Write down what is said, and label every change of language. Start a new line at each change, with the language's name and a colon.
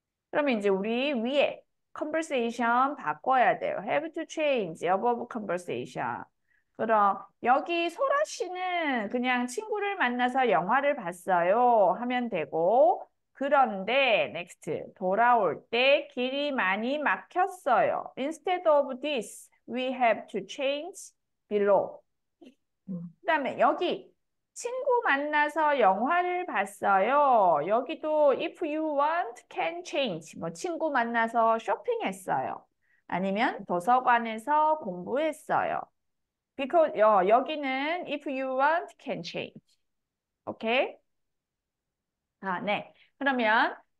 Korean: 그러면 이제 우리 위에 conversation 바꿔야 돼요.
English: Have to change above conversation.
Korean: 그럼 여기 소라 씨는 그냥 친구를 만나서 영화를 봤어요 하면 되고 그런데 next 돌아올 때 길이 많이 막혔어요.
English: Instead of this We have to change below.
Korean: 그다음에 여기 친구 만나서 영화를 봤어요. 여기도
English: if you want can change.
Korean: 뭐 친구 만나서 쇼핑했어요. 아니면 도서관에서 공부했어요.
English: Because
Korean: 여기는
English: if you want can change. Okay?
Korean: 아, 네. 그러면